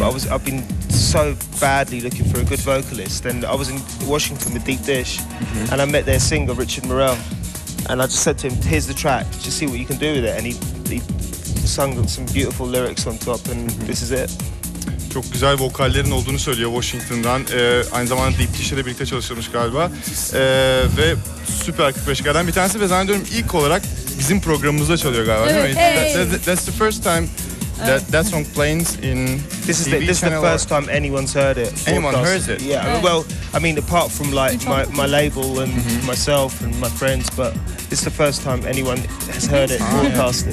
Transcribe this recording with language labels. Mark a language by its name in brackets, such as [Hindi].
[English] But I've been so badly looking for a good vocalist and I was in Washington with Deep Dish mm-hmm. and I met their singer Richard Morrell. And I just said to him, here's the track, just see what you can do with it. And he sung some beautiful lyrics on top and this is it. [Turkish] Çok güzel vokallerin olduğunu söylüyor Washington'dan. Aynı zamanda Deep Dish'e de birlikte çalışılmış galiba. Ve süper 45'lerden bir tanesi ve zannediyorum ilk olarak bizim programımızda çalıyor galiba. Evet. Değil mi? Hey. [English] That's the first time that song plays in this is the, this This is the first time anyone's heard it. Anyone heard it? Yeah, yeah. Well, I mean, apart from like my label and myself and my friends, but it's the first time anyone has heard it broadcasted.